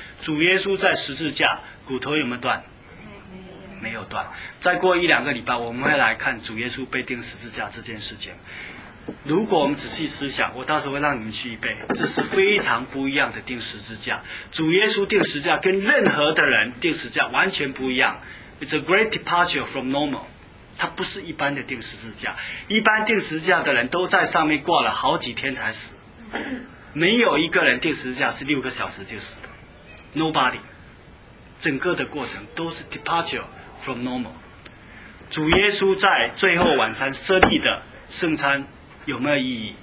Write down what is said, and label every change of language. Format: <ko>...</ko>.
<zh>主耶稣在十字架，骨头有没有断？没有断。再过一两个礼拜，我们会来看主耶稣被钉十字架这件事情。如果我们仔细思想，我到时候会让你们去预备，这是非常不一样的钉十字架。主耶稣钉十字架跟任何的人钉十字架完全不一样。</zh> <en>It's a great departure from normal.</en> <zh>他不是一般的钉十字架，一般钉十字架的人都在上面挂了好几天才死，没有一个人钉十字架是六个小时就死的 ，nobody。整个的过程都是</zh> <en>departure from normal。</en> <zh>主耶稣在最后晚餐设立的圣餐有没有意义？</zh>